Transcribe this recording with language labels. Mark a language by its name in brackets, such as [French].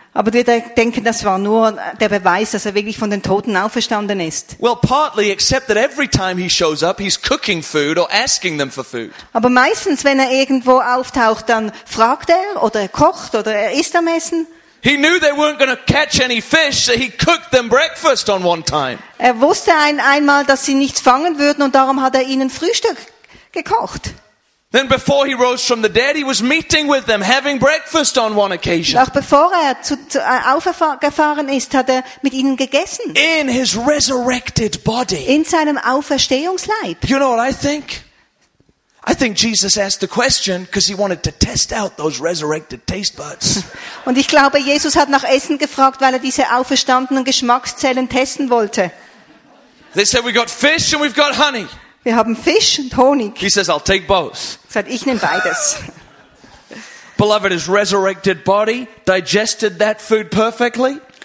[German] Aber wir denken, das war nur der Beweis, dass er wirklich von den Toten auferstanden ist. [English] Well, partly, except that every time he shows up, he's cooking food or asking them for food. [German] Aber meistens, wenn er irgendwo auftaucht, dann fragt er oder er kocht oder er isst am Essen. [English] He knew they weren't going to catch any fish, so he cooked them breakfast on one time. [German] Er wusste einmal, dass sie nichts fangen würden, und darum hat er ihnen Frühstück gekocht. [English] Then before he rose from the dead, he was meeting with them, having breakfast on one occasion. [German] Auch bevor er aufgefahren ist, hat er mit ihnen gegessen. [English] In his resurrected body. [German] In seinem Auferstehungsleib. [English] You know what I think? I think Jesus asked the question because he wanted to test out those resurrected taste buds. [German] Und ich glaube, Jesus hat nach Essen gefragt, weil er diese auferstandenen Geschmackszellen testen wollte. [English] They said, we got fish and we've got honey. [German] Wir haben Fisch und Honig. [English] He says, I'll take both. [German] Er sagt, ich nehme beides. [English] Beloved, his resurrected body digested that food perfectly.